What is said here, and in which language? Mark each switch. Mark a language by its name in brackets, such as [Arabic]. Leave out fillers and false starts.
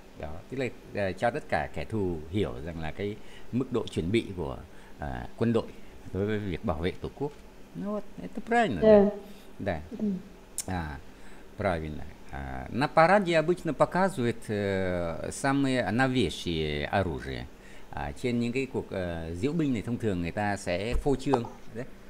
[Vietnamese] Đó, tức là cho tất cả kẻ thù hiểu rằng là cái mức độ chuẩn bị của quân đội đối với việc bảo vệ tổ quốc. [Russian] Ну вот, это правильно, да? Да. Правильно. На параде обычно показывают самые новейшие оружие. [Vietnamese] Trên những cái cuộc diễu binh này thông thường người ta sẽ phô trương đấy.